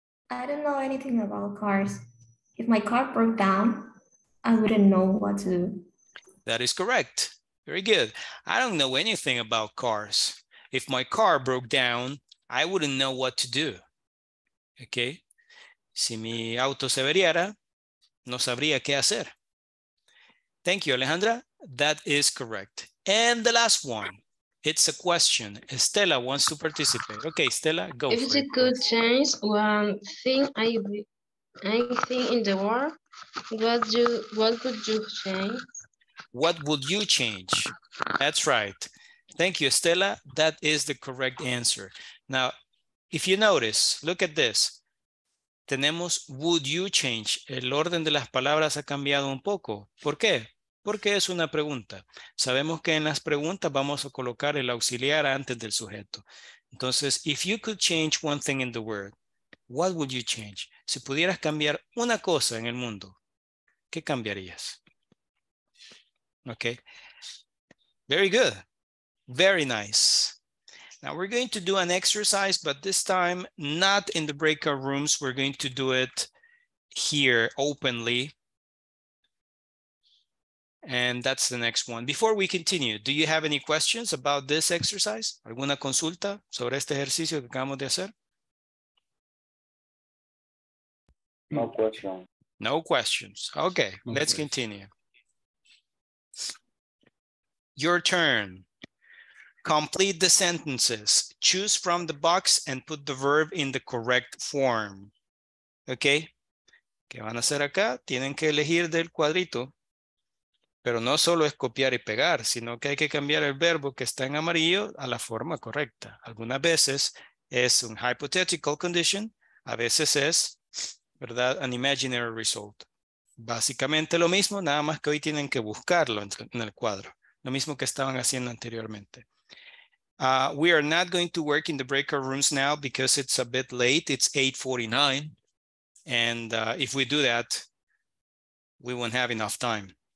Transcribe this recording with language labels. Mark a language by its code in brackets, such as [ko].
[en] I don't know anything about cars. If my car broke down, I wouldn't know what to do. That is correct. Very good. I don't know anything about cars. If my car broke down, I wouldn't know what to do. Okay. [es] Si mi auto se averiara, no sabría qué hacer. [en] Thank you, Alejandra. That is correct. And the last one. It's a question. Estela wants to participate. Okay, Estela, go. If you could change one thing, anything in the world, what could you change? What would you change? That's right. Thank you, Estela. That is the correct answer. Now, if you notice, look at this. [es] Tenemos [en] would you change. [es] El orden de las palabras ha cambiado un poco. ¿Por qué? Porque es una pregunta. Sabemos que en las preguntas vamos a colocar el auxiliar antes del sujeto. Entonces, [en] if you could change one thing in the world, what would you change? [es] Si pudieras cambiar una cosa en el mundo, ¿qué cambiarías? [en] Okay, very good, very nice. Now we're going to do an exercise, but this time not in the breakout rooms. We're going to do it here openly. And that's the next one. Before we continue, do you have any questions about this exercise? [es] ¿Alguna consulta sobre este ejercicio que acabamos de hacer? [en] No question. No questions. Okay, let's continue. Your turn. Complete the sentences. Choose from the box and put the verb in the correct form. [es] Okay? ¿Qué van a hacer acá? Tienen que elegir del cuadrito. Pero no solo es copiar y pegar, sino que hay que cambiar el verbo que está en amarillo a la forma correcta. Algunas veces es un [en] hypothetical condition. [es] A veces es, ¿verdad? [en] An imaginary result. [es] Básicamente lo mismo, nada más que hoy tienen que buscarlo en el cuadro. Lo mismo que estaban haciendo anteriormente. [en] We are not going to work in the breakout rooms now because it's a bit late. It's 8:49. And if we do that, we won't have enough time.